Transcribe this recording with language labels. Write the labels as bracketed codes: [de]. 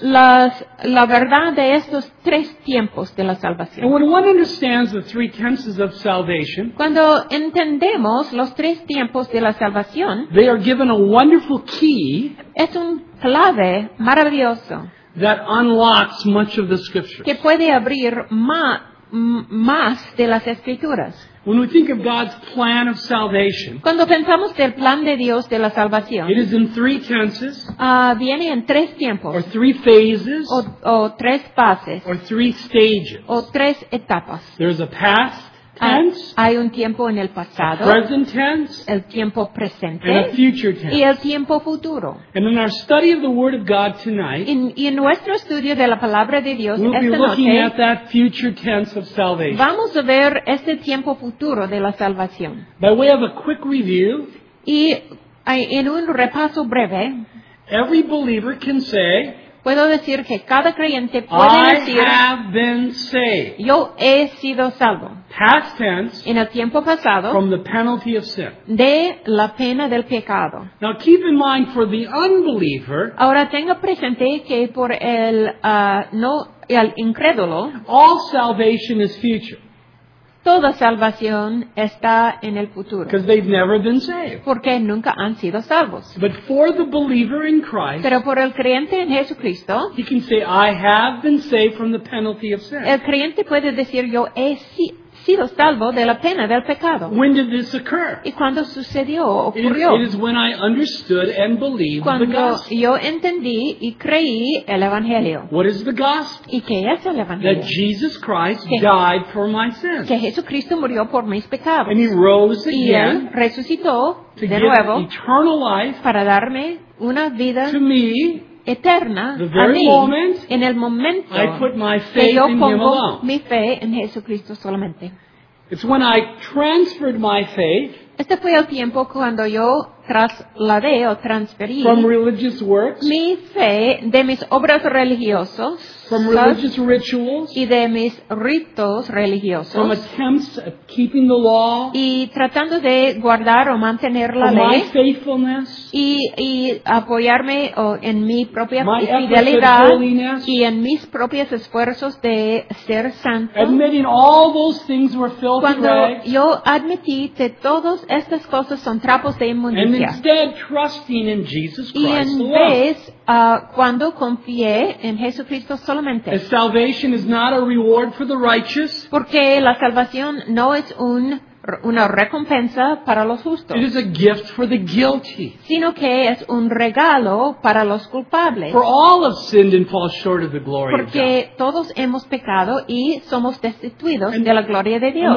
[es] La verdad de estos tres tiempos de la salvación. [en] And when one understands the three tenses of salvation, [es] cuando entendemos los tres tiempos de la salvación, [en] they are given a wonderful key. [es] Es un clave maravilloso. [en] That unlocks much of the scriptures. [es] Que puede abrir más de las escrituras. [en] When we think of God's plan of salvation, [es] cuando pensamos del plan de Dios de la salvación, [en] it is in three tenses, [es] viene en tres tiempos, [en] or three phases, [es] o tres fases, [en] or three stages, [es] o tres etapas. [en] There is a past tense, [es] hay un tiempo en el pasado, [en] a present tense, [es] el tiempo presente, [en] and a future tense, [es] y el tiempo futuro. [en] And in our study of the Word of God tonight, [es] y en nuestro estudio de la palabra de Dios, [en] we'll [es] esta [en] be looking [es] noche, [en] at that future tense of salvation. [es] Vamos a ver este tiempo futuro de la salvación. [en] By way of a quick review, [es] y en un repaso breve, [en] every believer can say, [es] puedo decir que cada creyente puede decir, [en] I have been saved. [es] Yo he sido salvo. [en] Past tense, [es] en el tiempo pasado, [en] from the penalty of sin. [es] De la pena del pecado. [en] Now keep in mind for the unbeliever, [es] ahora tenga presente que por el no el incrédulo, [en] all salvation is future. [es] Toda salvación está en el futuro. [en] Because they've never been saved. [es] Porque nunca han sido salvos. [en] But for the believer in Christ, [es] pero por el creyente en Jesucristo, [en] he can say, I have been saved from the penalty of sin. [es] El creyente puede decir, yo he sido salvo de la pena del pecado. [en] When did this occur? [es] ¿Y cuándo sucedió? Ocurrió. [en] It is when I understood and believed [es] cuando [en] the gospel. [es] Yo entendí y creí el evangelio. [en] What is the gospel? [es] ¿Y qué es el evangelio? [en] That Jesus Christ died for my sins. [es] Que Jesucristo murió por mis pecados. [en] And he rose again. [es] Y él resucitó [en] to [es] de nuevo [en] eternal life [es] para darme una vida [en] to me [es] eterna a mí, [en] moment, [es] en el momento [en] I put my faith [es] que yo pongo [en] in him alone. [es] Mi fe en Jesucristo solamente. [en] It's when I transferred my faith [es] este fue el tiempo cuando yo trasladé o transferí [en] from religious works, [es] mi fe de mis obras religiosas [en] from religious rituals, [es] y de mis ritos religiosos [en] from attempts at keeping the law, [es] y tratando de guardar o mantener la ley [en] my faithfulness, [es] y apoyarme en mi propia [en] my [es] fidelidad [en] holiness, [es] y en mis propios esfuerzos de ser santo [en] admitting all those things were filthy [es] cuando [en] rags, [es] yo admití que todas estas cosas son trapos de inmundicia [en] and instead trusting in Jesus Christ [es] y en [en] alone. [es] Vez, cuando confié en Jesucristo solamente. [en] As salvation is not a reward for the righteous. [es] Porque la salvación no es una recompensa para los justos. [en] It is a gift for the guilty. [es] Sino que es un regalo para los culpables. [en] For all have sinned and fall short of the glory [es] porque [en] of God. [es] Porque todos hemos pecado y somos destituidos de la gloria de Dios.